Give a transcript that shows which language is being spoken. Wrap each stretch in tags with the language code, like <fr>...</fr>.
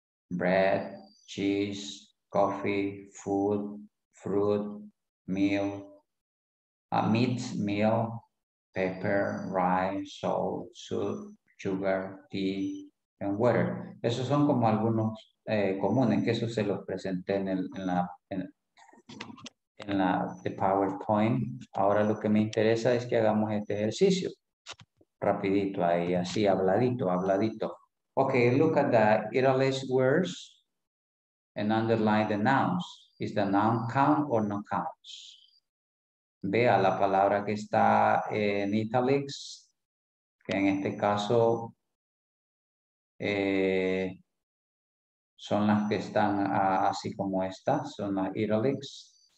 <en>bread, cheese, coffee, food, fruit, meal, meat, meal, pepper, rice, salt, soup, sugar, tea, and water.</en> <es>Esos son como algunos comunes, que eso se los presenté en la the PowerPoint. Ahora lo que me interesa es que hagamos este ejercicio. Rapidito ahí, así, habladito.</es> <en>Okay, look at the italic words and underline the nouns. Is the noun count or no counts?</en> <es>Vea la palabra que está en italics, que en este caso son las que están así como estas, son las italics.</es>